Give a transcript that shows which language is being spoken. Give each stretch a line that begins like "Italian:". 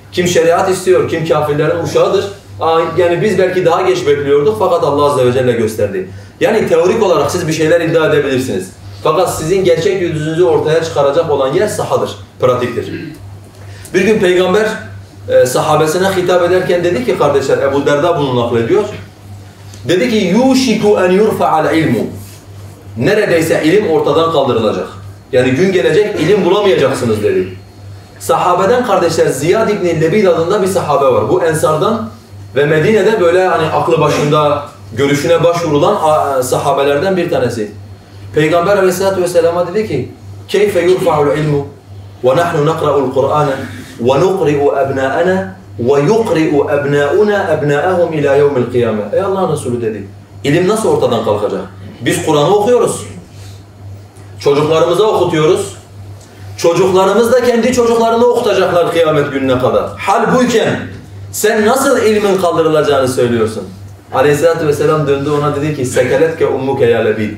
Turkish: Kim şeriat istiyor, kim kafirlerin uşağıdır. Yani biz belki daha geç bekliyorduk fakat Allah Azze ve Celle gösterdi. Yani teorik olarak siz bir şeyler iddia edebilirsiniz. Fakat sizin gerçek yüzünüzü ortaya çıkaracak olan yer sahadır, pratiktir. Bir gün Peygamber sahabesine hitap ederken dedi ki kardeşler, Ebu Derda bunu naklediyor. Dedi ki,
Arabic: يُوشِكُ أَنْ يُرْفَعَ الْعِلْمُ.
Turkish: Neredeyse ilim ortadan kaldırılacak. Yani gün gelecek ilim bulamayacaksınız dedi. Sahabeden kardeşler Ziyad İbn-i Lebid adında bir sahabe var. Bu Ensar'dan ve Medine'de böyle hani aklı başında görüşüne başvurulan sahabelerden bir tanesi. Peygamber aleyhissalatu vesselam'a dedi ki,
Arabic: كَيْفَ يُرْفَعُ الْعِلْمُ وَنَحْنُ نَقْرَأُ الْقُرْآنَ وَنُقْرِئُ أَبْنَاءَنَا وَيُقْرِئُ أَبْنَاءُنَا أَبْنَاءَهُمْ اِلَى يَوْمِ الْقِيَامَةِ.
Turkish: Ey Allah'ın Resulü dedi, ilim nasıl ortadan kalkacak? Biz Kur'an'ı okuyoruz, çocuklarımıza okutuyoruz, çocuklarımız da kendi çocuklarını okutacaklar kıyamet gününe kadar. Hal buyken sen nasıl ilmin kaldırılacağını söylüyorsun? Aleyhissalatu vesselam döndü ona dedi ki,
Arabic: سَكَلَتْكَ اُمُّكَ يَا لَبِيدٍ.